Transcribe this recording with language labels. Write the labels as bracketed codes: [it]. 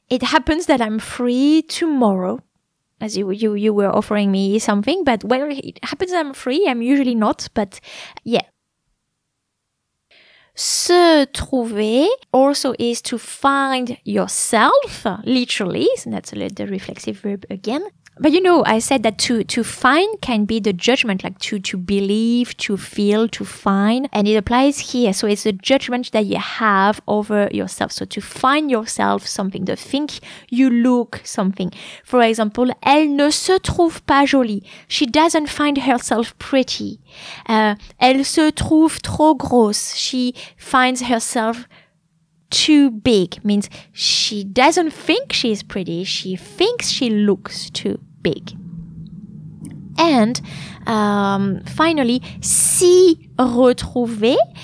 [en] It happens that I'm free tomorrow. As you were offering me something, but well, it happens that I'm free. I'm usually not, but yeah. Se trouver also is to find yourself, literally. So that's the reflexive verb again. But you know, I said that to find can be the judgment, like to believe, to feel, to find. And it applies here. So it's the judgment that you have over yourself. So to find yourself something, to think you look something. For example, [fr] elle ne se trouve pas jolie. [en] She doesn't find herself pretty. [fr] Elle se trouve trop grosse. [en] She finds herself too big. Means she doesn't think she's pretty. She thinks she looks too big. And finally, s'y retrouver.